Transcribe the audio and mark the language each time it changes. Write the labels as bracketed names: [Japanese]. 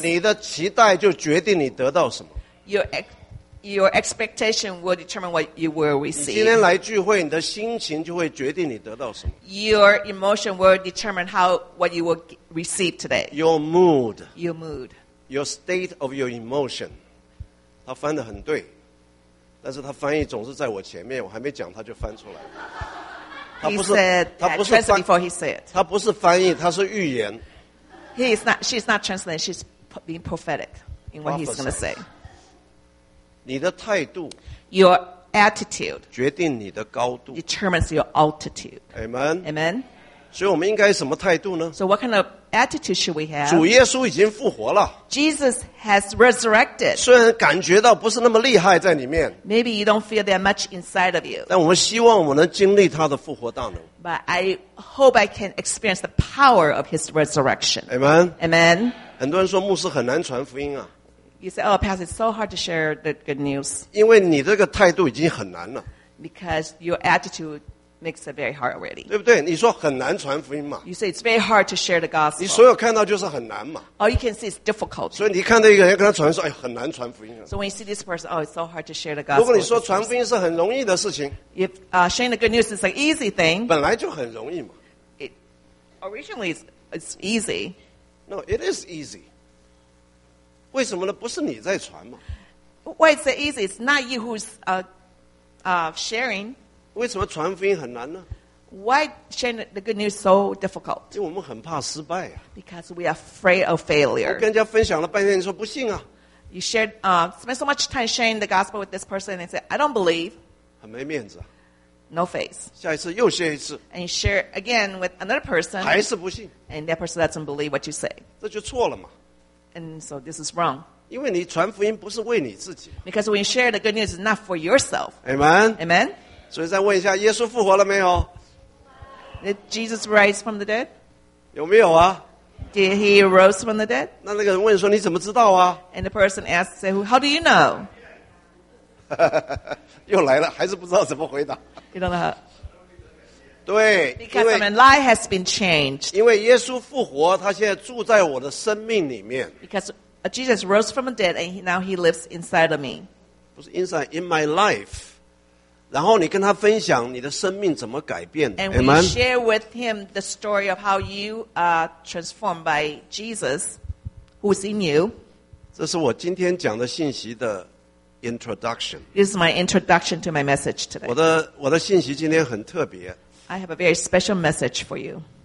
[Chinese] 你的期待就决定你得到什么。 [English] Your expectation will determine what you will receive. [Chinese] 今天来聚会，你的心情就会决定你得到什么。 [English] Your emotion will determine what you will receive today. Your mood. Your state of your emotion. [Chinese] 他翻得很对，但是他翻译总是在我前面，我还没讲他就翻出来。他不是翻译，他是预言。 [English] She's not translating. She's being prophetic in what he's going to say. [Chinese] 你的态度 [English] ，your attitude， [Chinese] 决定你的高度 [English] ，determines your altitude。 Amen. Amen. [Chinese] 所以我们应该什么态度呢 [English] ？So what kind of attitude should we have？ [Chinese] 主耶稣已经复活了 [English] ，Jesus has resurrected。 [Chinese] 虽然感觉到不是那么厉害在里面 [English] ，Maybe you don't feel that much inside of you。 [Chinese] 但我们希望我能经历他的复活大能。 [English] But I hope I can experience the power of his resurrection. Amen. Amen. [Chinese] 很多人说牧师很难传福音啊。 [English] You say, oh, Pastor, it's so hard to share the good news. [Chinese] 因为你这个态度已经很难了。 [English] Because your attitude makes it very hard already. [Chinese] 对不对？你说很难传福音嘛。 [English] You say it's very hard to share the gospel. [Chinese] 你所有看到就是很难嘛。 [English] All you can see is difficult. [Chinese] 所以你看到一个人跟他传说，哎，很难传福音啊。 [English] So when you see this person, oh, it's so hard to share the gospel. [Chinese] 如果你说传福音是很容易的事情。 [English] If sharing the good news is an easy thing. [Chinese] 本来就很容易嘛。 [English] It originally is easy. No, it is easy. [Chinese] 为什么呢？不是你在传吗 [English] ？Why is it easy? It's not you who's sharing. [Chinese] 为什么传福音很难呢 [English] ？Why sharing the good news so difficult? [Chinese] 因为我们很怕失败呀、啊。 [English] Because we are afraid of failure. [Chinese] 我跟人家分享了半天，你说不信啊 [English] ？You shared spent so much time sharing the gospel with this person, and they said, "I don't believe." [Chinese] 很没面子、啊。 [English] No face. [Chinese] 下一次又 share 一次。 [English] And you share again with another person. [Chinese] 还是不信。 [English] And that person doesn't believe what you say. [Chinese] 这就错了嘛。 [English] And so this is wrong. [Chinese] 因为你传福音不是为你自己。 [English] Because when you share the good news, it's not for yourself. Amen. Amen. [Chinese] 所以再问一下，耶稣复活了没有？ [English] Did Jesus rise from the dead? [Chinese] 有没有啊？ [English] Did he rose from the dead? [Chinese] 那那个人问说，你怎么知道啊？ [English] And the person asked, say, how do you know? [Chinese] 又来了，还是不知道怎么回答。 [English] You don't know how. [Chinese] 对 [English] Because my life has been changed. [Chinese] 因为耶稣复活，他现在住在我的生命里面。 [English] Because Jesus rose from the dead, and now he lives inside of me. [Chinese] 不是 [English] inside, in my life. [Chinese] 然后你跟他分享你的生命怎么改变。 [English] And we share with him the story of how you are transformed by Jesus, who is in you. [Chinese] 这是我今天讲的信息的introduction. [English] This is my introduction to my message today. [Chinese] 我的信息今天很特别。 [English] I have a very special message for you.